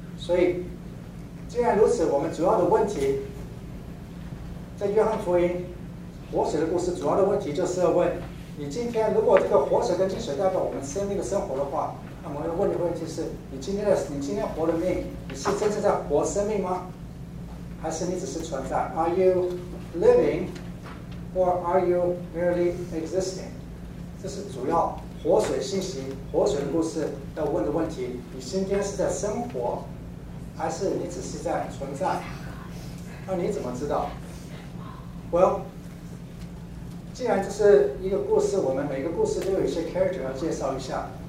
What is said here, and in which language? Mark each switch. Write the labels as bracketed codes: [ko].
[zh] 所以既然如此，我们主要的问题在约翰福音活水的故事，主要的问题就是要问你，今天如果这个活水跟静水代表我们生命的生活的话，那我要问的问题是，你今天活的命，你是真正在活生命吗？还是你只是存在？ [en] Are you living or are you merely existing？ [zh] 这是主要活水信息、活水的故事要问的问题。你今天是在生活，还是你只是在存在？那你怎么知道？ Well， 既然这是一个故事，我们每个故事都有一些 character 要介绍一下。